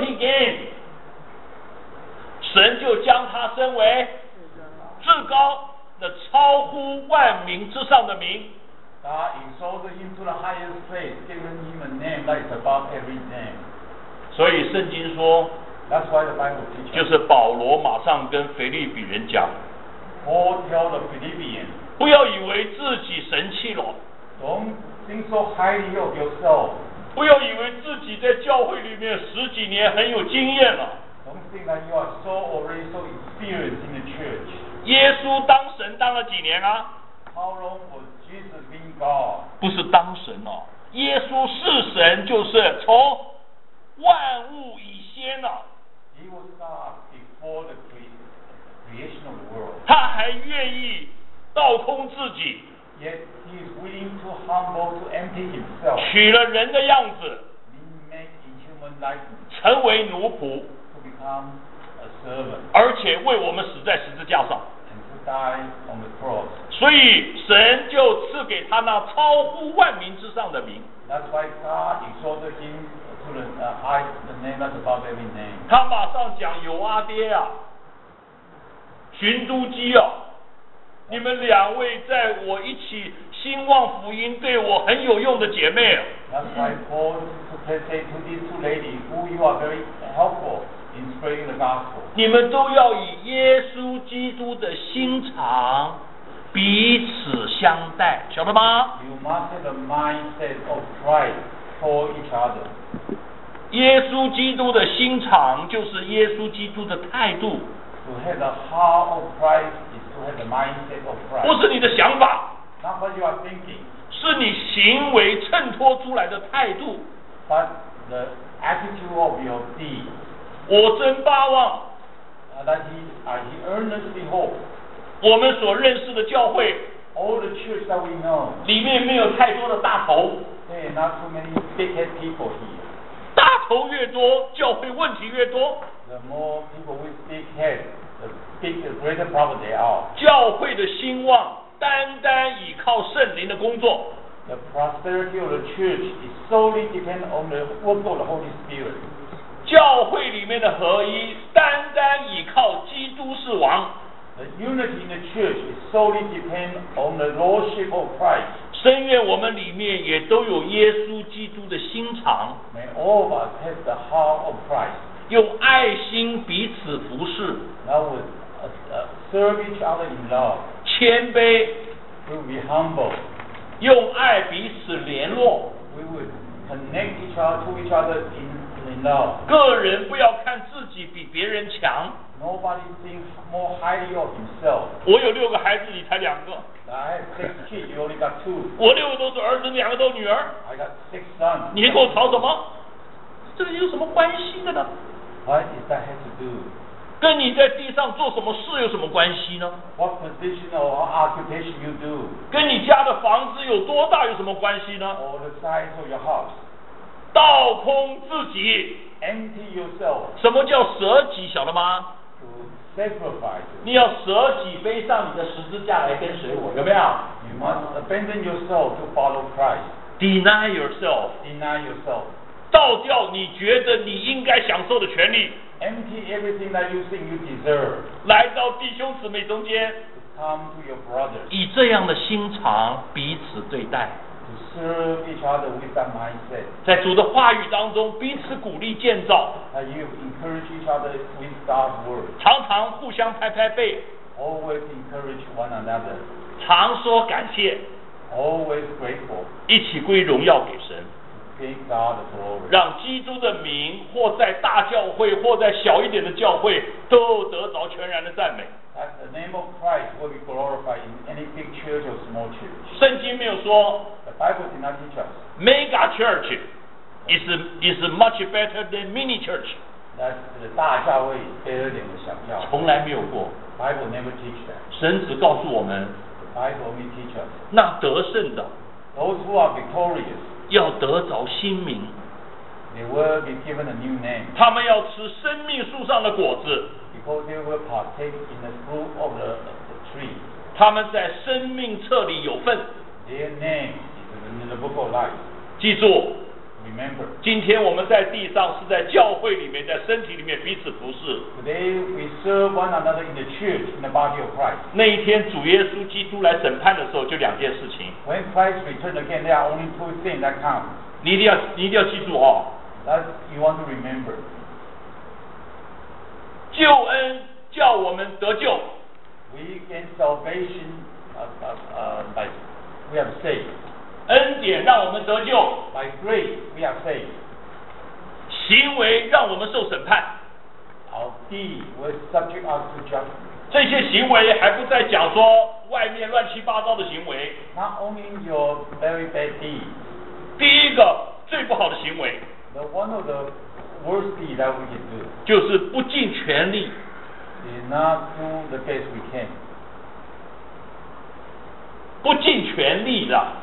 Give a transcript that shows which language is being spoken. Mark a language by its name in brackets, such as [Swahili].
[English] he gained, [Chinese] 神就将他升为至高，那超乎万民之上的名。 [English] God exalted him to the highest place, giving him a name that is above every name. [Chinese] 所以圣经说 [English] ，That's why the Bible teaches. [Chinese] 就是保罗马上跟腓立比人讲 [English] ，Paul tells the Philippians, [Chinese] 不要以为自己神气了 [English] ，Don't think so highly of yourself. [Chinese] 不要以为自己在教会里面十几年很有经验了。 [English] Don't think that you are so already so experienced in the church. [Chinese] 耶稣当神当了几年啊 [English] ？How long was Jesus being God? [Chinese] 不是当神哦，耶稣是神，就是从万物以先呐。 [English] He was God before the creation of the world. [Chinese] 他还愿意倒空自己。 [English] Yet he is willing to humble to empty himself. [Chinese] 取了人的样子 [English] make in human likeness, [Chinese] 成为奴仆 [English] to become a servant, [Chinese] 而且为我们死在十字架上 [English] and to die on the cross. [Chinese] 所以神就赐给他那超乎万民之上的名 [English] That's why God exalted him to the highest name that's above every name. [Chinese] 他马上讲有阿爹啊寻都基啊你们两位在我一起兴旺福音对我很有用的姐妹。 [English] That's why Paul said to these two ladies, who you are very helpful. in spreading the gospel. [Chinese] 你们都要以耶稣基督的心肠彼此相待，晓得吗？ [English] You must have the mindset of Christ for each other. [Chinese] 耶稣基督的心肠就是耶稣基督的态度。 [English] To have the heart of Christ is to have the mindset of Christ. [Chinese] 不是你的想法。 [English] Not what you are thinking. [Chinese] 是你行为衬托出来的态度。 [English] But the attitude of your deed. [Chinese] 我真巴望。 [English] That he earnestly hopes. [Chinese] 我们所认识的教会 [English] All the church that we know, [Chinese] 里面没有太多的大头 [English] hey, not too many big head people here. [Chinese] 大头越多教会问题越多 [English] the more people with big head, the greater problem they are. [Chinese] 教会的兴旺单单依靠圣灵的工作 [English] the prosperity of the church is solely dependent on the work of the Holy Spirit. [Chinese] 教会里面的合一单单依靠基督是王 [English] The unity in the church is solely dependent on the lordship of Christ. [Chinese] 深愿我们里面也都有耶稣基督的心肠。 [English] May all of us have the heart of Christ. [Chinese] 用爱心彼此服侍。 [English] That would serve each other in love. [Chinese] 谦卑。 [English] We would be humble. [Chinese] 用爱彼此联络。 [English] We would connect each other to each other in love. [Chinese] 个人不要看自己比别人强。 [English] Nobody thinks more highly of himself. [Chinese] 我有六个孩子，你才两个。 [English] I have six kids, you only got two. [Chinese] 我六个都是儿子，两个都女儿。 [English] I got six sons. [Chinese] 你跟我吵什么？这有什么关系的呢？ [English] What does that have to do? [Chinese] 跟你在地上做什么事有什么关系呢？ [English] What position or occupation you do? [Chinese] 跟你家的房子有多大有什么关系呢？ [English] Or the size of your house. [Chinese] 倒空自己。 [English] Empty yourself. [Chinese] 什么叫舍己，晓得吗？ [English] Sacrifice. [Chinese] 你要舍己背上你的十字架来跟随我，有没有？ [English] You must abandon yourself to follow Christ. Deny yourself. Deny yourself. [Chinese] 倒掉你觉得你应该享受的权利。 [English] Empty everything that you think you deserve. [Chinese] 来到弟兄姊妹中间。 [English] To come to your brothers. [Chinese] 以这样的心肠彼此对待。 [English] To serve each other with that mindset. [Chinese] 在主的话语当中彼此鼓励建造。 [English] That you encourage each other with God's word. [Chinese] 常常互相拍拍背。 [English] Always encourage one another. [Chinese] 常说感谢。 [English] Always grateful. [Chinese] 一起归荣耀给神。 [English] Give God the glory. [Chinese] 让基督的名或在大教会或在小一点的教会都得着全然的赞美。 [English] That the name of Christ will be glorified in any big church or small church. [Chinese] 圣经没有说。 [English] The Bible did not teach us. Mega church is much better than mini church. That the [Chinese] 大教会 [English] better than [Chinese] 小教会。从来没有过。 [English] Bible never teach that. [Chinese] 神只告诉我们。 [English] The Bible only teach us. [Chinese] 那得胜的。 [English] Those who are victorious. [Chinese] 要得着新名。 [English] They will be given a new name. [Chinese] 他们要吃生命树上的果子。 [English] Because they will partake in the fruit of the tree. [Chinese] 他们在生命册里有份。 [English] Their name is in the book of life. [Chinese] 记住。 [English] Remember. [Chinese] 今天我们在地上是在教会里面，在身体里面彼此服侍。 [English] Today we serve one another in the church, in the body of Christ. [Chinese] 那一天主耶稣基督来审判的时候，就两件事情。 [English] When Christ returns again, there are only two things that count. [Chinese] 你一定要记住哦。 [English] That you want to remember. [Chinese] 救恩叫我们得救。 [English] We gain salvation by we are saved. [Chinese] 恩典让我们得救。 [English] By grace we are saved. [Chinese] 行为让我们受审判。 [English] Our deed will subject us to judgment. [Chinese] 这些行为还不再讲说外面乱七八糟的行为。 [English] Not only your very bad deed. [Chinese] 第一个最不好的行为。 [English] The one of the worst deed that we can do. [Chinese] 就是不尽全力。 [English] Did not do the best we can. [Chinese] 不尽全力的。